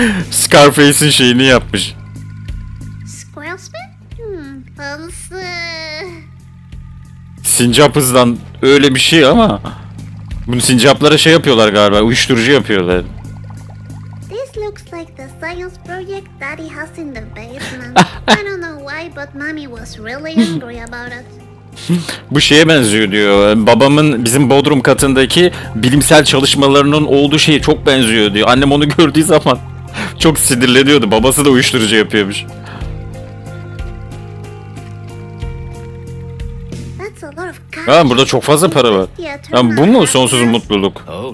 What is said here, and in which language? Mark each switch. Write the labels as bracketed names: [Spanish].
[Turkish] Scarface'in şeyini yapmış. Squirrelspin? Hımsı. Sincap hızdan öyle bir şey ama bunu sincaplara şey yapıyorlar galiba, uyuşturucu yapıyorlar. [English] This looks like the science project daddy has in the basement. I don't know why but mommy was really angry about it. [Turkish] Bu şeye benziyor diyor. Babamın bizim bodrum katındaki bilimsel çalışmalarının olduğu şeye çok benziyor diyor. Annem onu gördüğü zaman çok sinirleniyordu. Babası da uyuşturucu yapıyormuş. Ha, burada çok fazla para var. Ya, bu mu sonsuz mutluluk?